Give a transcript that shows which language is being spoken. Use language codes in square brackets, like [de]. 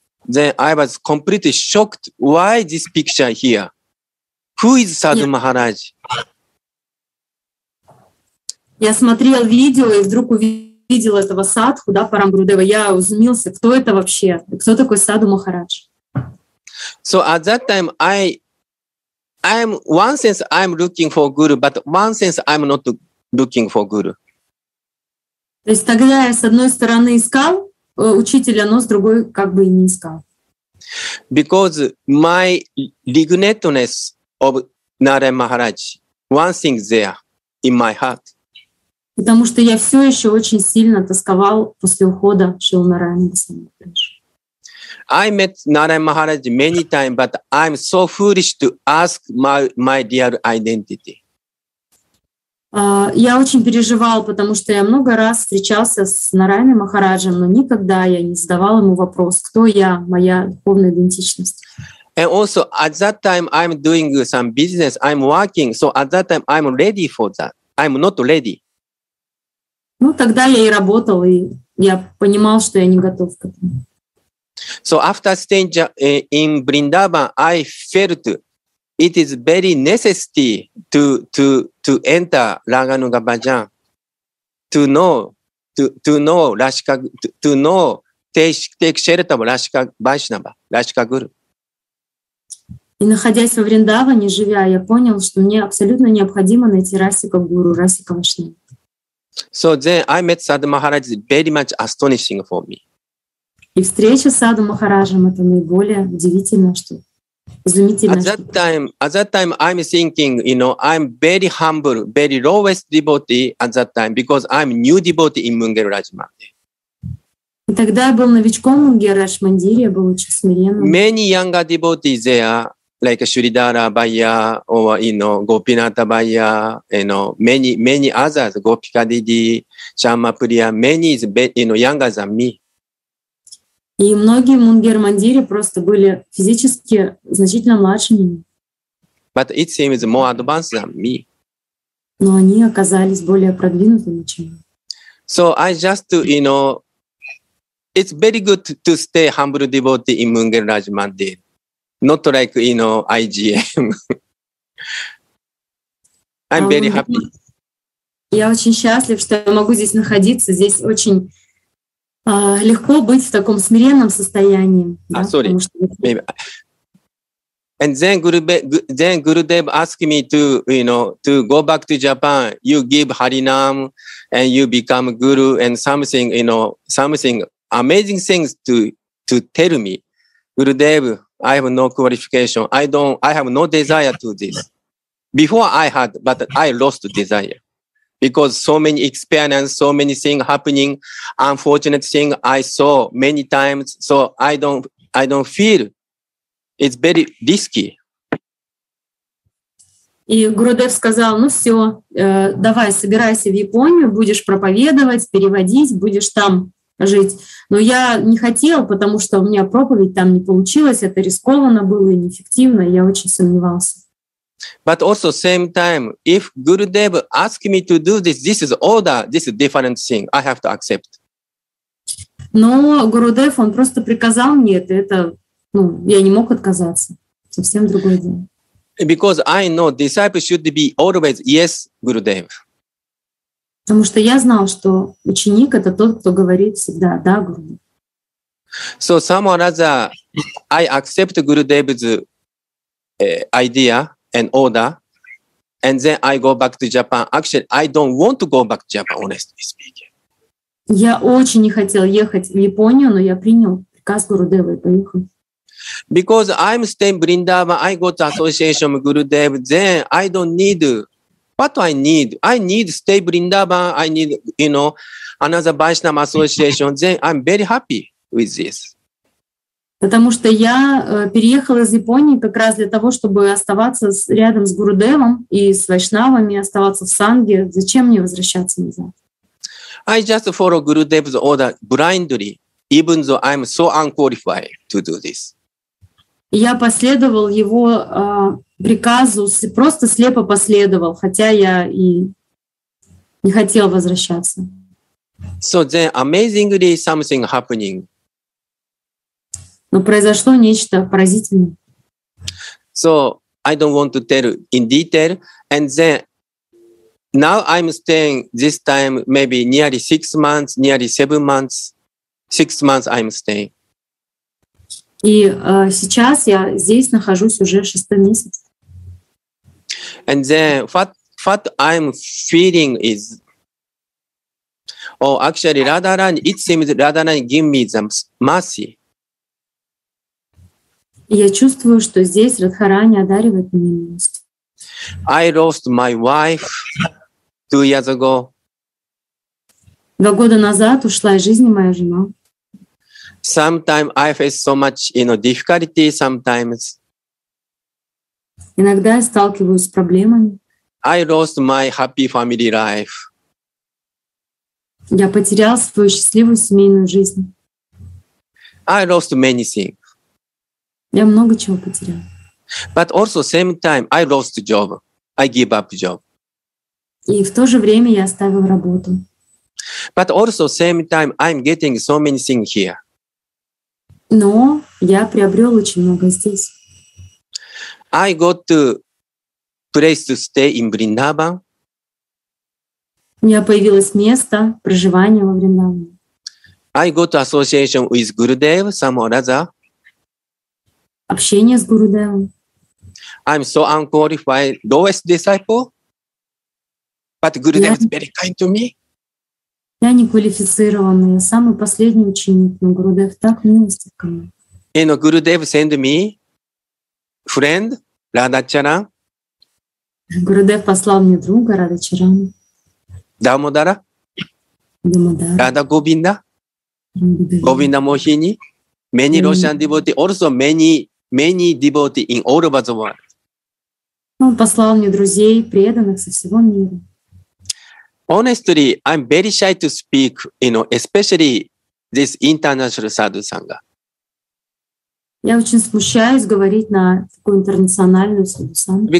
[en] Then I was completely shocked. Why this picture here? Who is Саду Махарадж? [ru] Я смотрел видео и вдруг увидел этого садху, да, Парамгурудева. Я узумился, кто это вообще? Кто такой Саду Махарадж? [en] So at that time I'm one sense I'm looking for guru, but one sense I'm not looking for guru. [ru] То есть тогда я с одной стороны искал учителя, но с другой как бы и не искал. [en] Because my lignetness of Narayana Maharaj, one thing there in my heart. [ru] Потому что я все еще очень сильно тосковал после ухода Шрилы Нарайана Махараджа. [en] I met Narayana Maharaj many times, but I'm so foolish to ask my real identity. [ru] Я очень переживал, потому что я много раз встречался с Нарайаной Махараджем, но никогда я не задавал ему вопрос, кто я, моя духовная идентичность. [en] And also at that time I'm doing some business, I'm working, so at that time I'm ready for that. I'm not ready. [ru] Ну тогда я и работал, и я понимал, что я не готов к этому. [en] So after staying in Vrindavan, I felt it is very necessary to enter Raganuga Bhajan, to take shelter of Rashika Vaishnava, Rashika Guru. [ru] И находясь во Вриндаване, живя, я понял, что мне абсолютно необходимо найти Расика Гуру, Расика Вашнава. [en] So then I met Sadhu Maharaj, very much astonishing for me. [ru] И встреча с Саду Махараджем — это наиболее удивительное, что Замечательно. [en] At that time, I'm thinking, you know, I'm very humble, very lowest devotee at that time, because I'm new devotee in Мунгер Раджмандире. [ru] И тогда я был новичком в Мунгер Раджмандире, был очень смиренным. [en] Many younger devotees there, like Shridhara Bhaiya, or, you know, Gopinatha Bhaiya, you know, many others, Gopika Didi, Shyamapriya, many is, you know, younger than me. [ru] И многие в Мунгер Раджмандире просто были физически значительно младше меня. [en] But it seems more advanced than me. [ru] Но они оказались более продвинутыми, чем я. [en] So I just, you know, it's very good to stay humble devotee in Мунгер Раджмандире. Not like, you know, IGM. I'm very happy. [ru] Я очень счастлив, что я могу здесь находиться. Здесь очень легко быть в таком смиренном состоянии. [en] Sorry. Maybe. And then Gurudev asked me to, you know, to go back to Japan. You give Harinam and you become guru and something, you know, something amazing things to tell me. Gurudev, I have no qualification. I have no desire to this. Before I had, but I lost desire. Because so many experience, so many things happening, unfortunate thing I saw many times, so I don't feel it's very risky. [ru] И Гурудев сказал: ну все, давай, собирайся в Японию, будешь проповедовать, переводить, будешь там жить. Но я не хотел, потому что у меня проповедь там не получилась, это рискованно было и неэффективно, я очень сомневался. [en] But also same time, if Gurudev asked me to do this, this is order, this is different thing. I have to accept. [ru] Но Гурудев, он просто приказал мне это, ну, я не мог отказаться. Совсем другое дело. [en] Because I know disciple should be always yes, Gurudev. [ru] Потому что я знал, что ученик — это тот, кто говорит всегда да, Гурудев. [en] So somehow or other, I accept Gurudev's idea. And order, and then I go back to Japan. Actually, I don't want to go back to Japan, honestly speaking. [ru] Я очень не хотел ехать в Японию, но я принял приказ Гурудева и поехал. [en] Because I'm staying in Vrindavan, I go to association with Gurudev, then I don't need, what do I need? I need stay in Vrindavan, I need, you know, another Vaishnava association, then I'm very happy with this. [ru] Потому что я переехала из Японии как раз для того, чтобы оставаться рядом с Гурудевом и с вайшнавами, оставаться в санге. Зачем мне возвращаться назад? [en] I just follow Gurudev's order blindly, even though I'm so unqualified to do this. [ru] Я последовал его приказу, просто слепо последовал, хотя я и не хотел возвращаться. [en] So then amazingly something happening. [ru] Но произошло нечто поразительное. [en] So I don't want to tell in detail. And then now I'm staying this time maybe nearly 6 months, nearly 7 months. 6 months I'm staying. [ru] И сейчас я здесь нахожусь уже 6 месяц. [en] And then what I'm feeling is, oh, actually Radharani, it seems Radharani give me the mercy. [ru] Я чувствую, что здесь Радхарани одаривает меня милостью. [en] I lost my wife 2 years ago. [ru] 2 года назад ушла из жизни моя жена. [en] Sometimes I face so much, you know, difficulty sometimes. [ru] Иногда я сталкиваюсь с проблемами. [en] I lost my happy family life. [ru] Я потерял свою счастливую семейную жизнь. [en] I lost many things. [ru] Я много чего потерял. [en] But also same time I lost job. I give up job. [ru] И в то же время я оставил работу. [en] But also same time I'm getting so many things here. [ru] Но я приобрел очень много здесь. [en] I got a place to stay in Vrindavan. [ru] У меня появилось место проживания во Вриндаване. [en] I got association with Gurudev, some or other. [ru] Общение с Гурудевом. [en] I'm so unqualified, lowest disciple, but Gurudev is very kind to me. [ru] Я не квалифицированный, самый последний ученик, но Гурудев так милостив ко мне. [en] You know, Gurudev send me friend, Radhacharan. [ru] Gurudev послал мне друга, Radhacharan. Дамодара. Дамодара. Рада Говинда. Говинда Мохини. [en] Many Russian devotees, also many, many devotees in all over the world. [ru] Он послал мне друзей, преданных со всего мира. [en] Honestly, I'm very shy to speak, you know, especially this international sadhu sangha. [ru] Я очень смущаюсь говорить на такую интернациональную sadhu sangha.